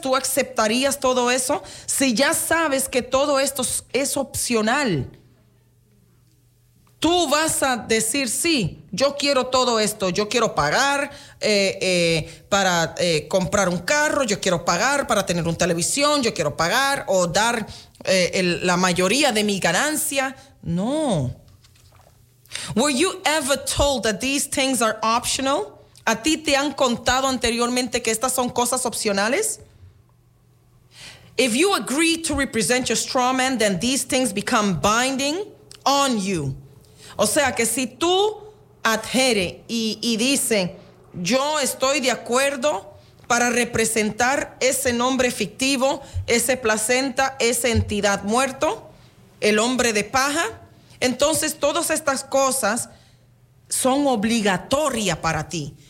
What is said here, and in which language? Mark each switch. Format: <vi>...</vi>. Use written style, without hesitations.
<es>¿Tú aceptarías todo eso? Si ya sabes que todo esto es opcional, tú vas a decir, sí, yo quiero todo esto. Yo quiero pagar para comprar un carro, yo quiero pagar para tener una televisión, yo quiero pagar o dar la mayoría de mi ganancia. No.</es> <en>Were you ever told that these things are optional?</en> <es>¿A ti te han contado anteriormente que estas son cosas opcionales?</es> <en>If you agree to represent your straw man, then these things become binding on you.</en> <es>O sea que si tú adhieres y dices, yo estoy de acuerdo para representar ese nombre fictivo, ese placenta, esa entidad muerto, el hombre de paja, entonces todas estas cosas son obligatorias para ti.</es>